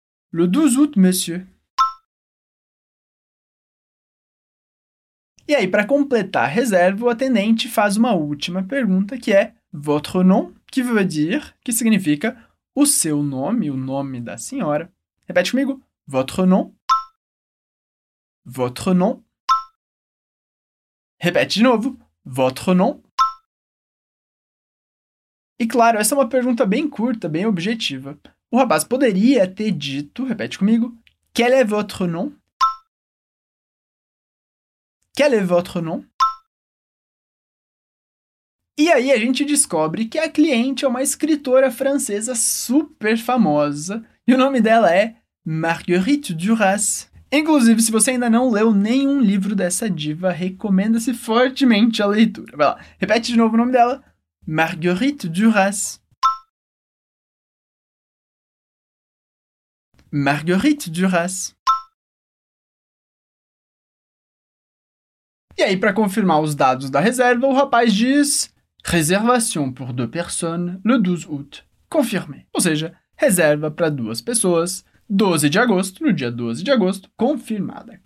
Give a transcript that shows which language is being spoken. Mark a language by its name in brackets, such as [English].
[French] Le 12 août, monsieur. [Portuguese] E aí, para completar a reserva, o atendente faz uma última pergunta, que é [French] votre nom, que veut dire, [Portuguese] que significa o seu nome, o nome da senhora. Repete comigo, [French] votre nom, votre nom. [Portuguese] Repete de novo, [French] votre nom. [Portuguese] E claro, essa é uma pergunta bem curta, bem objetiva. O rapaz poderia ter dito, repete comigo, [French] quel est votre nom? Quel est votre nom? [Portuguese] E aí a gente descobre que a cliente é uma escritora francesa super famosa E o nome dela é Marguerite Duras. Inclusive, se você ainda não leu nenhum livro dessa diva, recomenda-se fortemente a leitura. Vai lá, repete de novo o nome dela. Marguerite Duras. Marguerite Duras. E aí, para confirmar os dados da reserva, o rapaz diz... [French] Réservation pour deux personnes le 12 août. Confirmé. [Portuguese] Ou seja, reserva para duas pessoas, 12 de agosto, no dia 12 de agosto, confirmada.